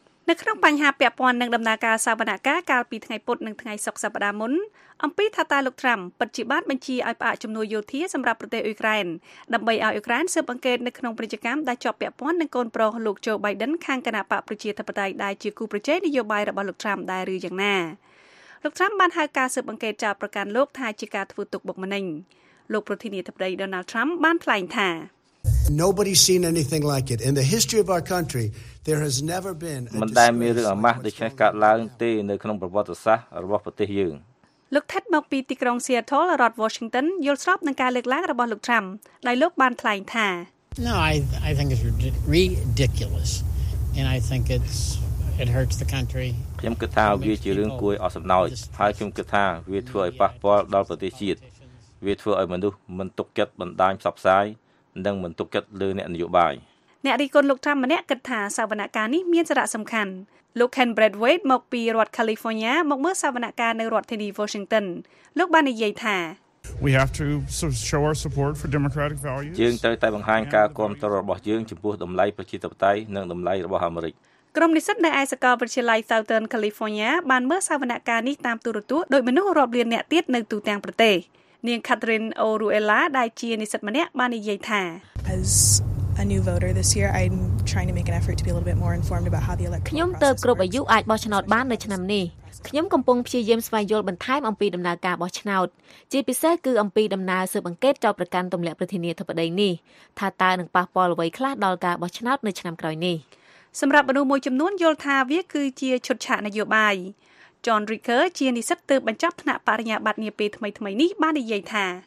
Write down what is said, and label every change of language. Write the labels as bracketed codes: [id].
[km] នៅក្នុងបញ្ហាពាក់ព័ន្ធនឹងដំណើរការសវនកម្មកាលពីថ្ងៃពុធនិងថ្ងៃសុក្រសប្តាហ៍មុនអំពីថាតើលោកត្រាំពិតជាបានបញ្ជាឲ្យផ្អាកជំនួយយោធាសម្រាប់ប្រទេសអ៊ុយក្រែនដើម្បីឲ្យអ៊ុយក្រែនស៊ើបអង្កេតនៅក្នុងព្រឹត្តិការណ៍ដែលជាប់ពាក់ព័ន្ធនឹងកូនប្រុសលោកជូបៃដិនខាងគណបកប្រជាធិបតេយ្យដែលជាគូប្រជែងនយោបាយរបស់លោកត្រាំដែរឬយ៉ាងណាលោកត្រាំបានហៅការស៊ើបអង្កេតចោទប្រកាន់លោកថាជាការធ្វើទុកបុកម្នេញលោកប្រធានាធិបតី Donald Trump បានថ្លែងថា [en] Nobody seen anything like it in the history of our country. There has never been [km] មិនដែលមានរឿងអាម៉ាស់ដូចនេះកើតឡើងទេនៅក្នុងប្រវត្តិសាស្ត្ររបស់ប្រទេសយើង លោកថិតមកពីទីក្រុង Seattle រដ្ឋ Washington យល់ស្របនឹងការលើកឡើងរបស់លោក Trump ដែលលោកបានថ្លែងថា [en] No, I think it's ridiculous and I think it hurts the country [km] ខ្ញុំគិតថាវាជារឿងគួរឲ្យសំណោចហើយខ្ញុំគិតថាវាធ្វើឲ្យប៉ះពាល់ដល់ប្រទេសជាតិវាធ្វើឲ្យមនុស្សមិនទុកចិត្តបណ្ដាញផ្សព្វផ្សាយនឹងមិនទុកចិត្តលើអ្នកនយោបាយ អ្នករីគុណលោកថាម្នាក់គិតថាសវនកម្មនេះមានសារៈសំខាន់លោក Ken Bradwaite មកពីរដ្ឋ California មកមើលសវនកម្មនៅរដ្ឋធានី Washington លោកបាននិយាយថា [en] We have to show our support for democratic values [km] យើងត្រូវតែបង្ហាញការគាំទ្ររបស់យើងចំពោះតម្លៃប្រជាធិបតេយ្យនិងតម្លៃរបស់អាមេរិក ក្រុមនិស្សិតនៅឯសាកលវិទ្យាល័យ Southern California បានមើលសវនកម្មនេះតាមទូរទស្សន៍ដោយមនុស្សរាប់លានអ្នកទៀតនៅទូទាំងប្រទេសនាង Catherine Oruela ដែលជានិស្សិតម្នាក់បាននិយាយថា [en] As a new voter this year I'm trying to make an effort to be a little bit more informed about how the electoral [km] ខ្ញុំទៅគ្រប់អាយុអាចបោះឆ្នោតបាននៅឆ្នាំនេះខ្ញុំកំពុងព្យាយាមស្វែងយល់បន្ថែមអំពីដំណើរការបោះឆ្នោតជាពិសេសគឺអំពីដំណើរស៊ើបអង្កេតចោទប្រកាន់ទម្លាក់ប្រធានាធិបតីនេះថាតើនឹងប៉ះពាល់អ្វីខ្លះដល់ការបោះឆ្នោតនៅឆ្នាំក្រោយនេះ សម្រាប់មនុស្សមួយចំនួនយល់ថាវាគឺជាឈុតឆាកនយោបាយJohn Ricker ជានិស្សិតទើបបញ្ចប់ថ្នាក់បរិញ្ញាបត្រនាពេលថ្មីៗនេះបាននិយាយថា